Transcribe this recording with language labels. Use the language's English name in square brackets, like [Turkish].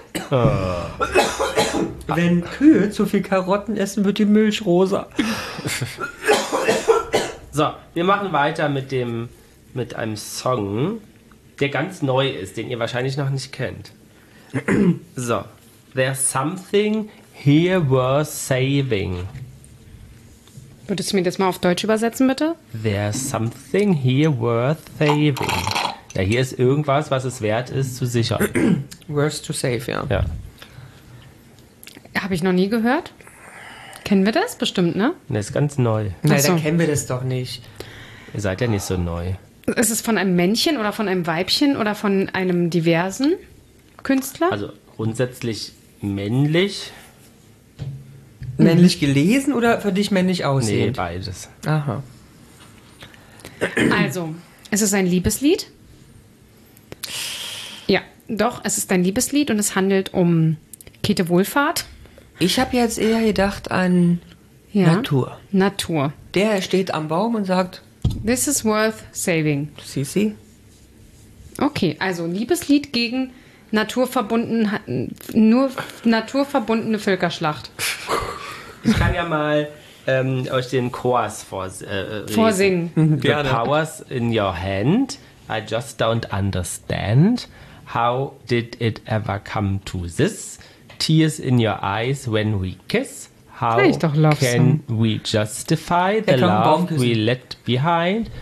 [German] Wenn Kühe zu viel Karotten essen, wird die Milch rosa. So, wir machen weiter mit einem Song, der ganz neu ist, den ihr wahrscheinlich noch nicht kennt. So. [English] There's something here worth saving. [German] Würdest du mir das mal auf Deutsch übersetzen, bitte? [English] There's something here worth saving. [German] Ja, hier ist irgendwas, was es wert ist, zu sichern. [English] Worth to save, ja. [German] Ja. Habe ich noch nie gehört. Kennen wir das bestimmt, ne? Das ist ganz neu. Nein, dann kennen wir das doch nicht. Ihr seid ja nicht so neu. Ist es von einem Männchen oder von einem Weibchen oder von einem diversen Künstler? Also grundsätzlich männlich. Männlich gelesen oder für dich männlich aussehend? Nee, beides. Aha. Also, ist es ein Liebeslied? Ja, doch, es ist ein Liebeslied und es handelt um Käthe Wohlfahrt. Ich habe jetzt eher gedacht an Natur. Natur. Der steht am Baum und sagt... [English] This is worth saving. Sisi. [German] Okay, also Liebeslied gegen naturverbundene Völkerschlacht. Ich kann ja mal euch den Chorus vorsingen. [English] The powers in your hand, I just don't understand. How did it ever come to this? Tears in your eyes when we kiss. How ich doch love can song. We justify the love we left behind?